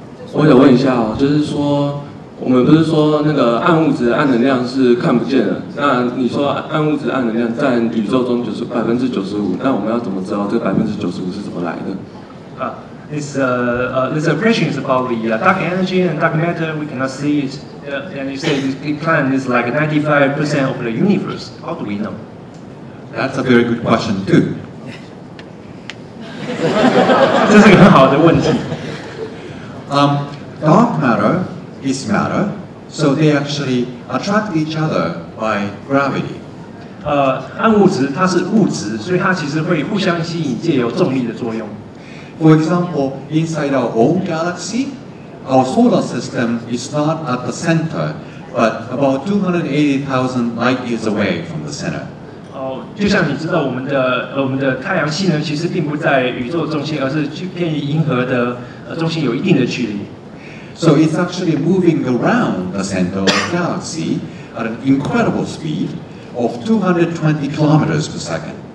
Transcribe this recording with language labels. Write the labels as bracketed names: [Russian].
[Chinese] 我想问一下就是说，我们不是说那个暗物质暗能量是看不见的，那你说暗物质暗能量占宇宙中95%，那我们要怎么知道这95%是怎么来的？ [English] This question is about the dark energy and dark matter. We cannot see it. And you say the planet is like 95% of the universe. How do we know? That's a very good question too. [Chinese] 这是个很好的问题。 [English] Dark matter. Is matter, so they actually attract each other by gravity. [Chinese] 暗物质它是物质，所以它其实会互相吸引，借由重力的作用。 [English] For example, inside our own galaxy, our solar system is not at the center, but about 280,000 light years away from the center. [Chinese] 就像你知道，我们的太阳系呢，其实并不在宇宙中心，而是偏离银河的中心有一定的距离。 [English] So it's actually moving around the center of the galaxy at an incredible speed of 220 kilometers per second.